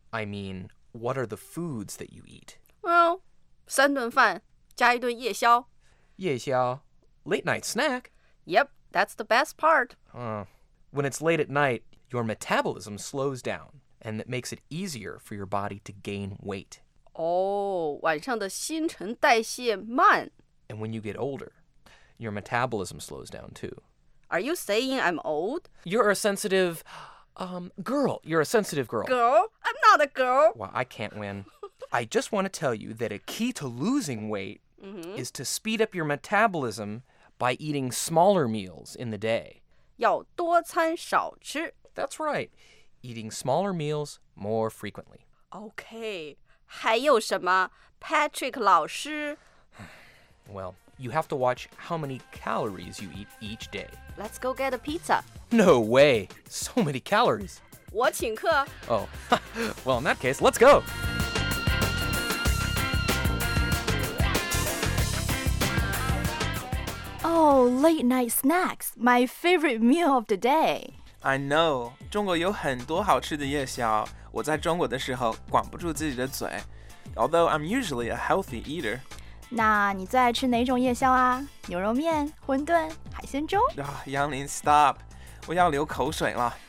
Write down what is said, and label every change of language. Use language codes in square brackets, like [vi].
[en] I mean, what are the foods that you eat? Well, [zh] 三顿饭加一顿夜宵。夜宵, [en] late night snack. Yep, that's the best part. When it's late at night, your metabolism slows down, and it makes it easier for your body to gain weight. Oh, [zh] 晚上的新陈代谢慢。 [en] And when you get older, your metabolism slows down too. Are you saying I'm old? You're a sensitive, girl. You're a sensitive girl. Girl? I'm not a girl. Well, I can't win. I just want to tell you that a key to losing weight is to speed up your metabolism... by eating smaller meals in the day. [zh] 要多餐少吃。 [en] That's right. Eating smaller meals more frequently. Okay. [zh] 还有什么 Patrick 老师 [en] Well, you have to watch how many calories you eat each day. Let's go get a pizza. No way. So many calories. [zh] 我请客。 [en] Oh. Well, in that case, let's go. Oh, late night snacks, my favorite meal of the day. I know, [zh] 中国有很多好吃的夜宵，我在中国的时候管不住自己的嘴。 [en] Although I'm usually a healthy eater. [zh] 那你最爱吃哪种夜宵啊？牛肉面、馄饨、海鲜粥？杨林， [en] stop, [zh] 我要流口水了。